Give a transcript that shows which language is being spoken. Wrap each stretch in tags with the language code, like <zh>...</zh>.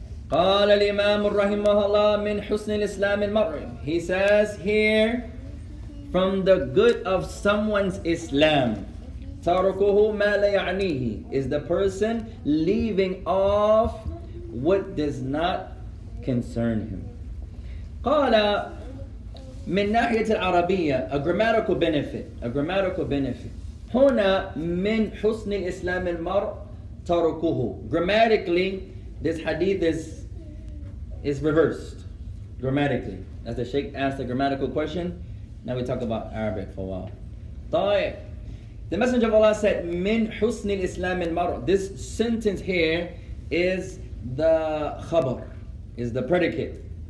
<ar>قال الإمام رحمه الله من حسن الإسلام المرء.</ar> <en>He says here, from the good of someone's Islam,</en> <ar>تركه ما لا يعنيه,</ar> <en>is the person leaving off what does not concern him.</en> <ar>قال من ناحية العربية,</ar> <en>a grammatical benefit.</en> <ar>هنا من حسن الإسلام المرء تركه.</ar> <en>Grammatically, this hadith is reversed. Grammatically, as the Sheikh asked a grammatical question. Now we talk about Arabic for a while.</en> <ar>طيب.</ar> <en>The Messenger of Allah said,</en> <ar>"Min husni al-Islam al-mar."</ar> <en>This sentence here is the khabar, is the predicate.</en>